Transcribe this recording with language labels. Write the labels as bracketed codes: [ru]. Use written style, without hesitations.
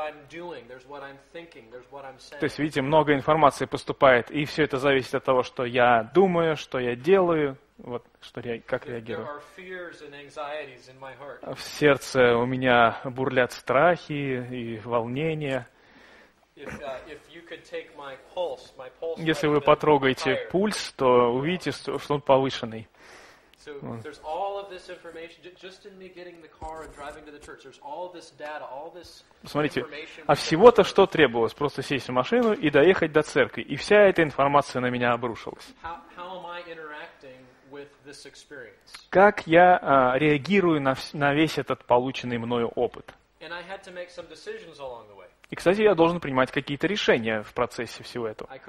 [ru] То есть, видите, много информации поступает, и все это зависит от того, что я думаю, что я делаю, вот что как реагирую. В сердце у меня бурлят страхи и волнения. Если вы потрогаете пульс, то увидите, что он повышенный. [en] So there's all of this information just in me getting the car and driving to the church. There's all this data, all this information. [ru] Смотрите, а всего-то, что требовалось, просто сесть в машину и доехать до церкви, и вся эта информация на меня обрушилась. [en] How am I interacting with this experience? [ru] Как я реагирую на весь этот полученный мною опыт? [en] And I had to make some decisions along the way. [ru] И, кстати, я должен принимать какие-то решения в процессе всего этого.